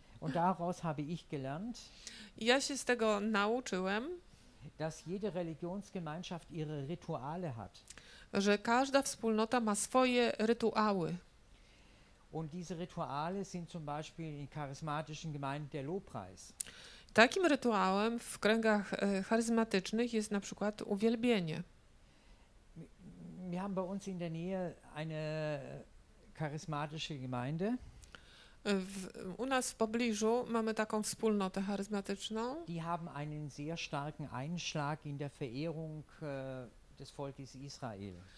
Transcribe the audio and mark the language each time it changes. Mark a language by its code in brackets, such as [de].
[de] Und daraus habe ich gelernt. [pl] Ja się z tego nauczyłem, [de] dass jede Religionsgemeinschaft ihre Rituale hat. [pl] Że każda wspólnota ma swoje rytuały. [de] Und diese Rituale sind zum Beispiel in charismatischen Gemeinden der Lobpreis. [pl] Takim rytuałem w kręgach charyzmatycznych jest na przykład uwielbienie. [de] Wir haben bei uns in der Nähe eine charismatische Gemeinde. [pl] U nas w pobliżu mamy taką wspólnotę charyzmatyczną. [de] Die haben einen sehr starken Einschlag in der Verehrung des Volkes Israel.